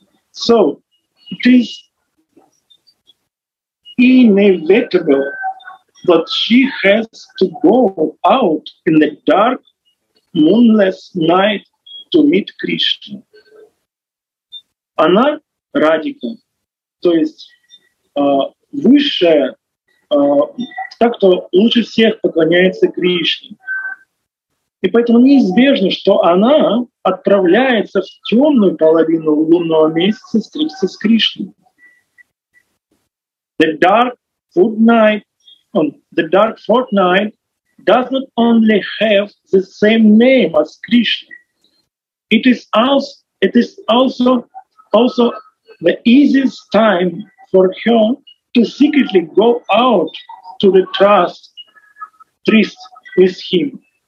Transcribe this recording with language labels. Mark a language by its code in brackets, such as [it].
[en] So it is inevitable that she has to go out in the dark, moonless night to meet Krishna. [ru] Она Радика, то есть высшая, та, кто лучше всех поклоняется Кришне. И поэтому неизбежно, что она отправляется в темную половину лунного месяца встретиться с Кришной. [en] The dark food night The dark fortnight does not only have the same name as Krishna. It is also the easiest time for her to secretly go out to the tryst with him.